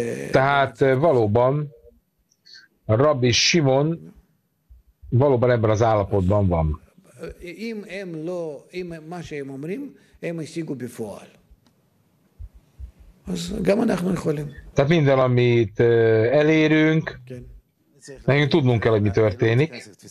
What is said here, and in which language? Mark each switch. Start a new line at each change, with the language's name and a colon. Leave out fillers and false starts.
Hungarian: Tehát valóban Rabbi Simon valóban ebben az állapotban van.
Hebrew: אם הם לא, אם מה שהם אומרים, הם השיגו בפועל. אז גם אנחנו יכולים.
Hungarian: Tehát minden, amit elérünk, nekünk tudnunk kell, hogy mi történik.